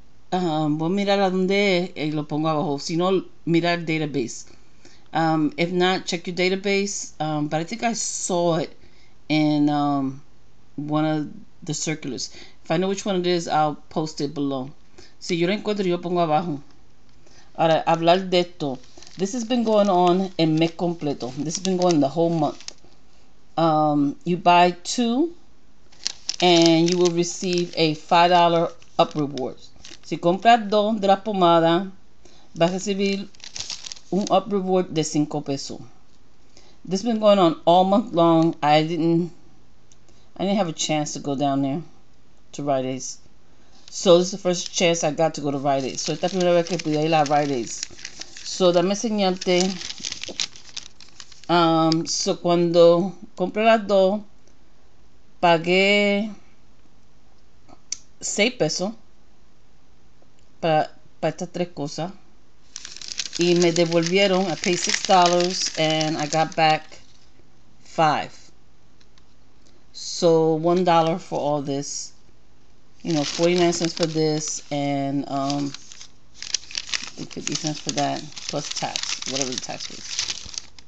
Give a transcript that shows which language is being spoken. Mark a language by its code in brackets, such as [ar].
[es] Voy a mirar a donde es y lo pongo abajo. Si no, mirar database. [en] If not, check your database. But I think I saw it in one of the circulars. If I know which one it is, I'll post it below. [es] Si yo lo encuentro, yo pongo abajo. Ahora, hablar de esto. [en] This has been going on [es] en mes completo. [en] This has been going the whole month. You buy two, and you will receive a $5 up reward. [es] Si compras dos de la pomada, vas a recibir un up reward de 5 pesos. [en] This has been going on all month long. I didn't have a chance to go down there to Rite Aid. So this is the first chance I got to go to Rite Aid. So [es] esta primera vez que pude ir a Rite Aid. So dame enseñarte. So cuando compré las dos, pagué 6 pesos para estas tres cosas. Y me devolvieron, [en] I paid $6 and I got back 5. So $1 for all this. You know, 49 cents for this and 50 cents for that, plus tax, whatever the tax was.